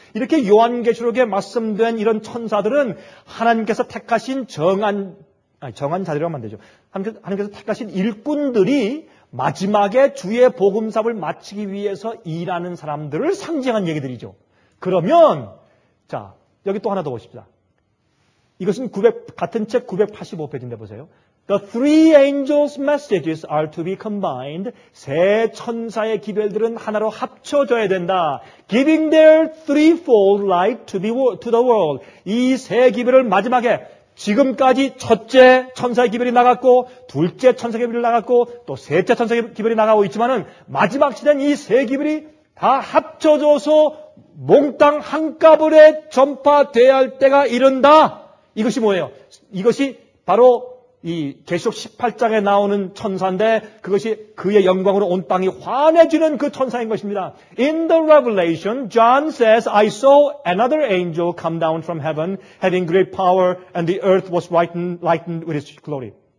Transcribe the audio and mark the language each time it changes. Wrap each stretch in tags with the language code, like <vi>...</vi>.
<ko>이렇게 요한계시록에 말씀된 이런 천사들은 하나님께서 택하신 정한 자들이라면 안 되죠. 하나님께서 택하신 일꾼들이 마지막에 주의 복음사업을 마치기 위해서 일하는 사람들을 상징한 얘기들이죠. 그러면, 자, 여기 또 하나 더 보십시다. 이것은 같은 책 985페이지인데 보세요.</ko> <en>The three angels' messages are to be combined.</en> <ko>세 천사의 기별들은 하나로 합쳐져야 된다.</ko> <en>Giving their threefold light to the world.</en> <ko>이 세 기별을 마지막에 지금까지 첫째 천사의 기별이 나갔고 둘째 천사의 기별이 나갔고 또 셋째 천사의 기별이 나가고 있지만은 마지막 시대는 이 세 기별이 다 합쳐져서 몽땅 한꺼번에 전파돼야 할 때가 이른다. 이것이 뭐예요? 이것이 바로 이 계시록 18장에 나오는 천사인데 그것이 그의 영광으로 온 땅이 환해지는 그 천사인 것입니다.</ko> <en>In the Revelation, John says, I saw another angel come down from heaven, having great power, and the earth was lightened with his glory.</en>